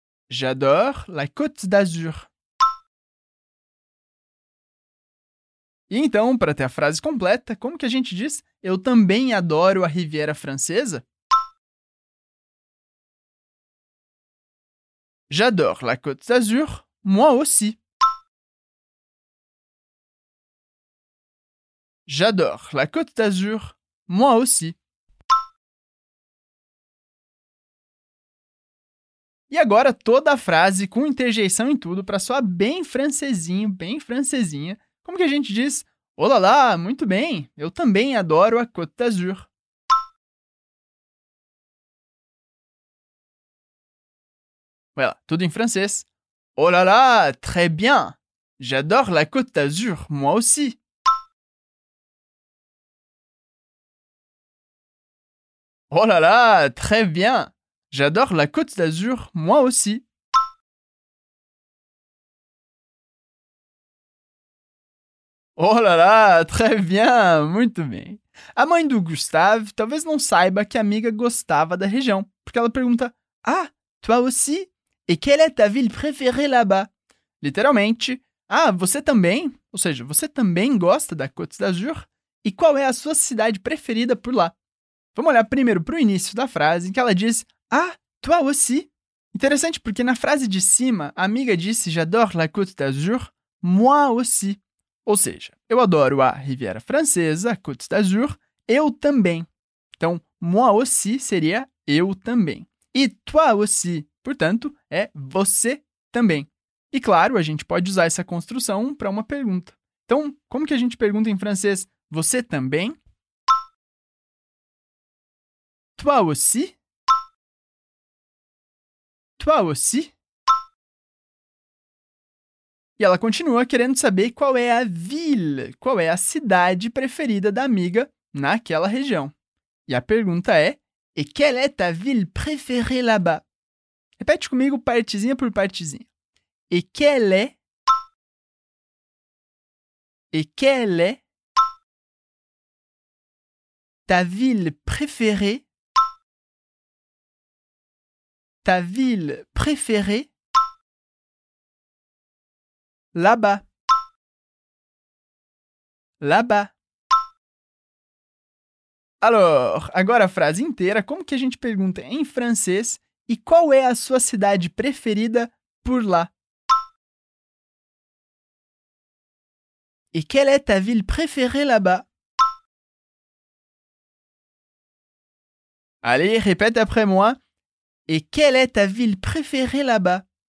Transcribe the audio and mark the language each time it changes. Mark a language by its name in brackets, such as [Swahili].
[French] J'adore la Côte d'Azur. [Portuguese] E então, para ter a frase completa, como que a gente diz eu também adoro a Riviera Francesa? [French] J'adore la Côte d'Azur, moi aussi. J'adore la Côte d'Azur, moi aussi. [Portuguese] E agora toda a frase com interjeição e tudo para soar bem francesinho, bem francesinha. Como que a gente diz? Olá lá, muito bem. Eu também adoro a Côte d'Azur. Voilà, tudo em francês. Olá lá, [French] très bien. J'adore la Côte d'Azur, moi aussi. Olá lá, très bien. J'adore la Côte d'Azur, moi aussi. Oh là là, très bien, [Portuguese] muito bem. A mãe do Gustave talvez não saiba que a amiga gostava da região, porque ela pergunta, ah, [French] toi aussi? Et quelle est ta ville préférée là-bas? [Portuguese] Literalmente, ah, você também? Ou seja, você também gosta da Côte d'Azur? E qual é a sua cidade preferida por lá? Vamos olhar primeiro para o início da frase, em que ela diz, ah, [French] toi aussi? [Portuguese] Interessante porque na frase de cima, a amiga disse, [French] j'adore la Côte d'Azur, moi aussi. [Portuguese] Ou seja, eu adoro a Riviera Francesa, a Côte d'Azur, eu também. Então, [French] moi aussi [Portuguese] seria eu também. E [French] toi aussi, [Portuguese] portanto, é você também. E claro, a gente pode usar essa construção para uma pergunta. Então, como que a gente pergunta em francês, você também? [French] Toi aussi? Toi aussi? [Portuguese] E ela continua querendo saber qual é a ville, qual é a cidade preferida da amiga naquela região. E a pergunta é, [French] et quelle est ta ville préférée là-bas? [Portuguese] Repete comigo partezinha por partezinha. [French] Et quelle est? Et quelle est ta ville préférée? Ta ville préférée? Là-bas. Là-bas. Alors, [Portuguese] agora a frase inteira, como que a gente pergunta em francês e qual é a sua cidade preferida por lá? [French] Et quelle est ta ville préférée là-bas? Allez, répète après moi. Et quelle est ta ville préférée là-bas?